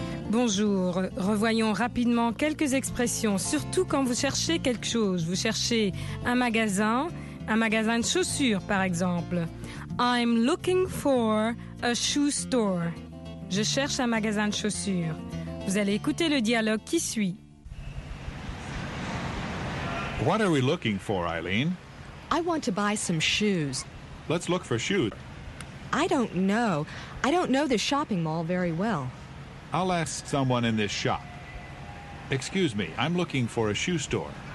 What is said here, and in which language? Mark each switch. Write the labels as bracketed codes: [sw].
[fr] Bonjour. Revoyons rapidement quelques expressions, surtout quand vous cherchez quelque chose. Vous cherchez un magasin de chaussures, par exemple. [en] I'm looking for a shoe store. [fr] Je cherche un magasin de chaussures. Vous allez écouter le dialogue qui suit. [en] What are we looking for, Eileen? I want to buy some shoes. Let's look for shoes. I don't know. I don't know the shopping mall very well. I'll ask someone in this shop. Excuse me, I'm looking for a shoe store.